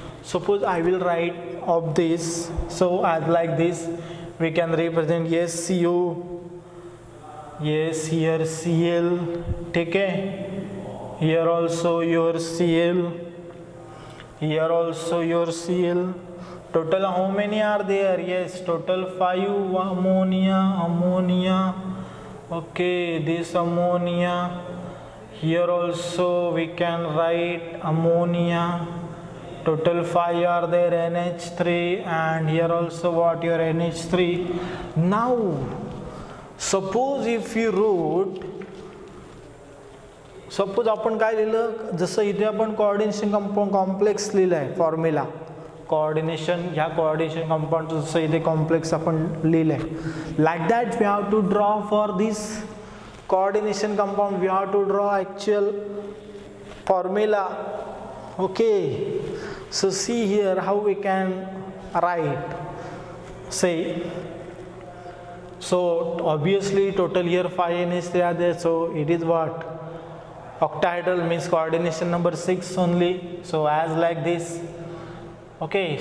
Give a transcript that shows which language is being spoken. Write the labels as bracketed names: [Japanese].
[English] Suppose I will write of this, so as like this we can represent, yes, CO, yes, here Cl, take a, here also your Cl, here also your Cl, total how many are there, yes, total 5 ammonia, okay, this ammonia. Here also we can write ammonia, total 5 are there, NH3, and here also what, your NH3. [Marathi] Now suppose if you wrote, suppose आपण काय लिहिलं, जसं इथे आपण coordination compound complex लिहिलं आहे formula, coordination ह्या coordination compound जसं इथे कॉम्प्लेक्स आपण लिहिलं आहे, like that we have to draw for this coordination compound we have to draw actual formula, okay. [English] So see here how we can write, say, so obviously total here 5NH3 are there, so it is what, octahedral, means coordination number 6 only, so as like this, okay.